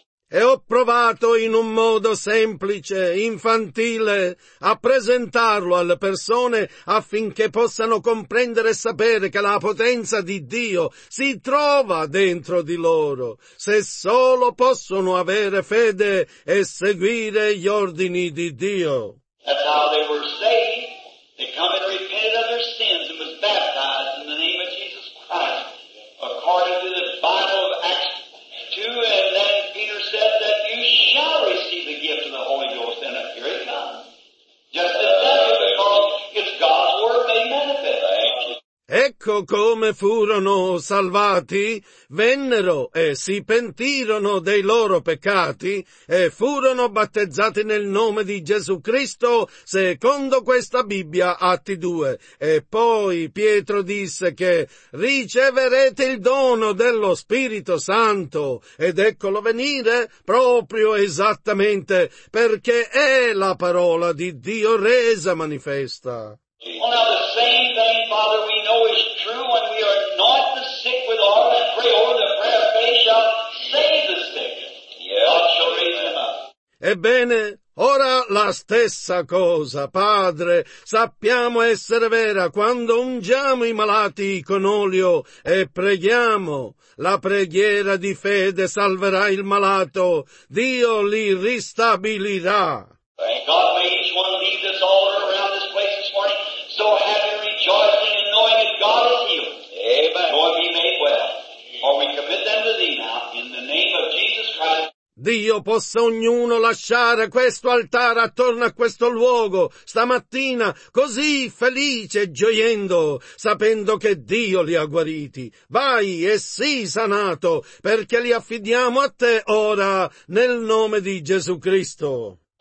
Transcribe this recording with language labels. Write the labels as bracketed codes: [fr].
[it] E ho provato in un modo semplice, infantile, a presentarlo alle persone affinché possano comprendere e sapere che la potenza di Dio si trova dentro di loro, se solo possono avere fede e seguire gli ordini di Dio. [en] That's how they were saved. They come and repented of their sins and was baptized in the name of Jesus Christ, according to the Bible of Acts 2, and then Peter said that you shall receive the gift of the Holy Ghost, and here it comes. Just as that is because it's God's Word made manifest. [it] Ecco. ecco come furono salvati, vennero e si pentirono dei loro peccati e furono battezzati nel nome di Gesù Cristo, secondo questa Bibbia, Atti 2. E poi Pietro disse che riceverete il dono dello Spirito Santo, ed eccolo venire proprio esattamente, perché è la parola di Dio resa manifesta. [en] Well, now the same thing, Father, we know is true when we are anoint the sick with oil and pray over the prayer of faith shall save the sick. God shall raise him up. [it] Ebbene, ora la stessa cosa, Padre, sappiamo essere vera quando ungiamo i malati con olio e preghiamo. La preghiera di fede salverà il malato. Dio li ristabilirà. [en] Thank God for each one of these that's all around this place this morning, so happy, rejoicing, and knowing that God is healed. Amen. Lord, be made well. For we commit them to thee now, in the name of Jesus Christ. [it] Dio possa ognuno lasciare questo altare attorno a questo luogo stamattina così felice e gioiendo, sapendo che Dio li ha guariti. Vai e sii sanato, perché li affidiamo a te ora nel nome di Gesù Cristo.